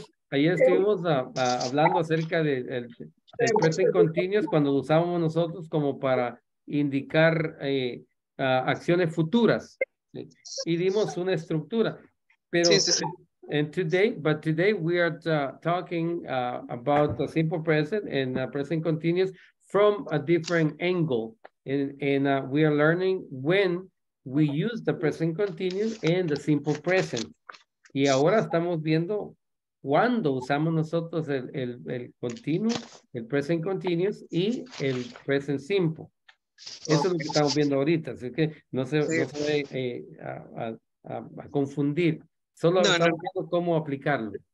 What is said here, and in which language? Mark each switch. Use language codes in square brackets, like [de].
[es] Ayer estuvimos hablando acerca del el present continuous cuando lo usábamos nosotros como para indicar acciones futuras. ¿Sí? Y dimos una estructura. [en] Pero today we are talking about the simple present and present continuous from a different angle. And we are learning when we use the present continuous and the simple present. [es] Y ahora estamos viendo cuando usamos nosotros el continuo, el present continuous y el present simple. Eso es lo que estamos viendo ahorita. Así que no se va a confundir. Solo estamos viendo cómo aplicarlo.